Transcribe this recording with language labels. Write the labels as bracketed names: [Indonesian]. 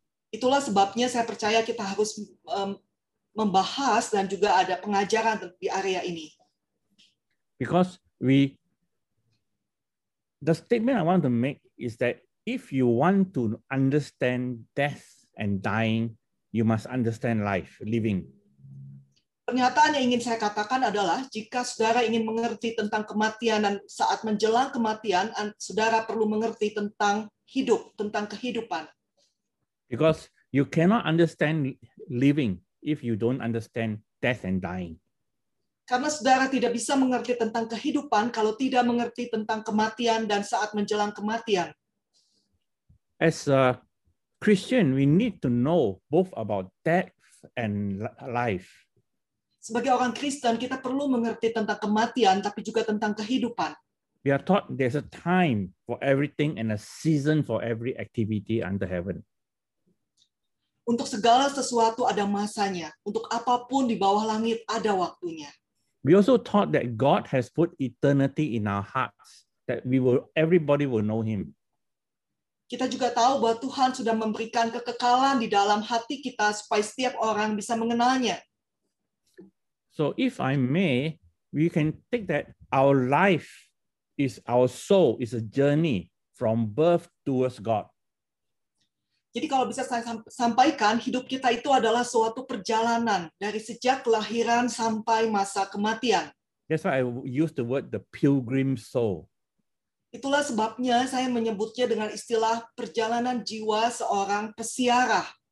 [Indonesian] Itulah sebabnya saya percaya kita harus membahas dan juga ada pengajaran di area ini. [English] Because the statement I want to make is that if you want to understand death and dying, you must understand life, living. [Indonesian] Pernyataan yang ingin saya katakan adalah jika saudara ingin mengerti tentang kematian dan saat menjelang kematian, saudara perlu mengerti tentang hidup, tentang kehidupan. [English] Because you cannot understand living if you don't understand death and dying. [Indonesian] Karena saudara tidak bisa mengerti tentang kehidupan kalau tidak mengerti tentang kematian dan saat menjelang kematian. [English] As a Christian, we need to know both about death and life. [Indonesian] sebagai orang Kristen kita perlu mengerti tentang kematian tapi juga tentang kehidupan. [English] We are taught there's a time for everything and a season for every activity under heaven. [Indonesian] Untuk segala sesuatu ada masanya, untuk apapun di bawah langit ada waktunya. [English] We also taught that God has put eternity in our hearts, that everybody will know him. [Indonesian] Kita juga tahu bahwa Tuhan sudah memberikan kekekalan di dalam hati kita supaya setiap orang bisa mengenalnya. [English] So if I may, we can take that our life is our soul, is a journey from birth towards God. [Indonesian] Jadi kalau bisa saya sampaikan, hidup kita itu adalah suatu perjalanan dari sejak kelahiran sampai masa kematian. [English] That's why I use the word the pilgrim soul. [Indonesian] Itulah sebabnya saya menyebutnya dengan istilah perjalanan jiwa seorang pesiarah.